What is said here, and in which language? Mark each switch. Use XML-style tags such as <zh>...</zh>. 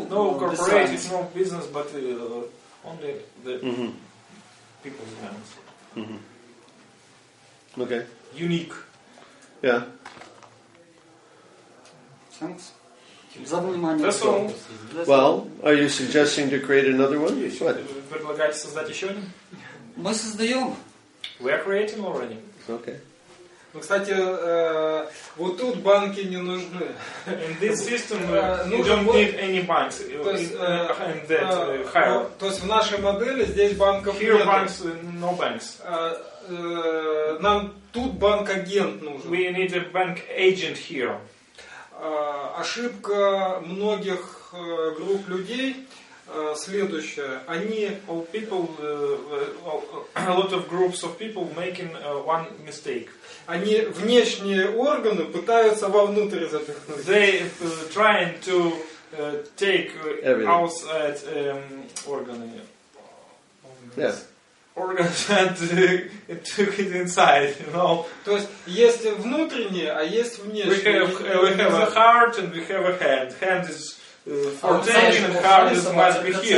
<en>No corporate, no business, but only the People's Banks. Mm-hmm. Okay. Unique. Yeah.</en> <ru>Thanks. За внимание.</ru> <en>That's all. Well, are you suggesting to create another one? What?</en> <ru>Предлагаете создать еще один? Мы создаем.</ru> <en>We are creating already. Okay.</en> <ru>Ну, кстати, вот тут банки не нужны.</ru> <en>In this system you don't need any banks.</en> <ru>То есть,</ru> <en>in that hierarchy.</en> <ru>То есть в нашей модели здесь банков</ru> <en>нет. Here banks, no banks.</en> <ru>Нам тут банк-агент нужен.</ru> <en>We need a bank agent here.</en> <ru>Ошибка многих групп людей следующая. Они</ru> <en>all people a lot of groups of people making one mistake.</en> <ru>Они внешние органы пытаются вовнутрь запихнуть.</ru> <en>They trying to take outside органы. Yes. Organs and took it inside, you know.</en> <ru>То есть есть внутреннее, а есть внешнее.</ru> <en>We have a heart and we have a hand. Hand is for taking, and heart is must be here.</en>